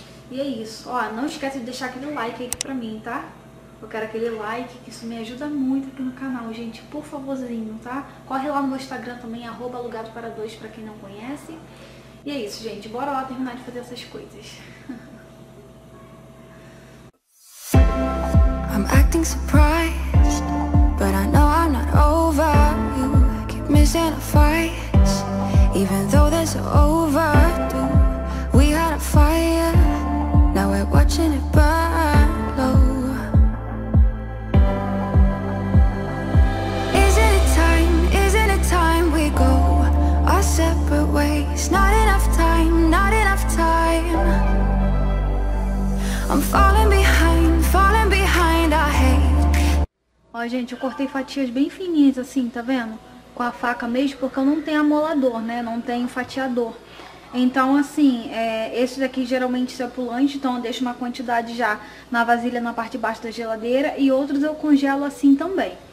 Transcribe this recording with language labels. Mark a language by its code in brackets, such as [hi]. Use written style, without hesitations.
[pt] E é isso, ó, não esquece de deixar aquele like aí pra mim, tá? Eu quero aquele like, que isso me ajuda muito aqui no canal, gente, por favorzinho, tá? Corre lá no meu Instagram também, @alugadopara2, pra quem não conhece. E é isso, gente, bora lá terminar de fazer essas coisas. [en] I'm acting surprised, but I know I'm not over you. Keep missing our fights, even though that's over. We had a fire, now we're watching it burn low. Isn't it time we go our separate ways? Not enough time, not enough time. I'm falling behind, I hate. [pt] Ó, gente, eu cortei fatias bem fininhas assim, tá vendo? Com a faca mesmo, porque eu não tenho amolador, né? Não tenho fatiador. Então, assim, é, esse daqui geralmente é pro lanche, então eu deixo uma quantidade já na vasilha, na parte de baixo da geladeira, e outros eu congelo assim também.